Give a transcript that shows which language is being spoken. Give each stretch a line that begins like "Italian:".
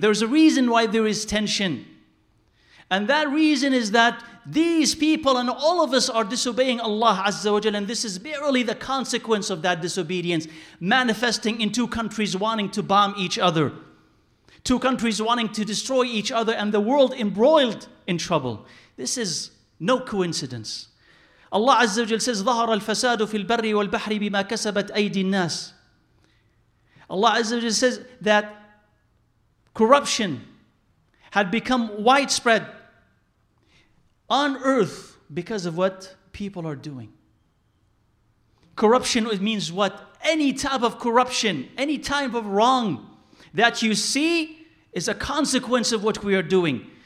English: There's a reason why there is tension. And that reason is that these people and all of us are disobeying Allah Azza wa Jal, and this is barely the consequence of that disobedience manifesting in two countries wanting to bomb each other, two countries wanting to destroy each other, and the world embroiled in trouble. This is no coincidence.
Arabic: Allah Azza wa Jal says, ظَهَرَ الْفَسَادُ فِي الْبَرِّ وَالْبَحْرِ بِمَا كَسَبَتْ أَيْدِ النَّاسِ.
English: Allah Azza wa Jal says that corruption had become widespread on earth because of what people are doing. Corruption means what? Any type of corruption, any type of wrong that you see is a consequence of what we are doing.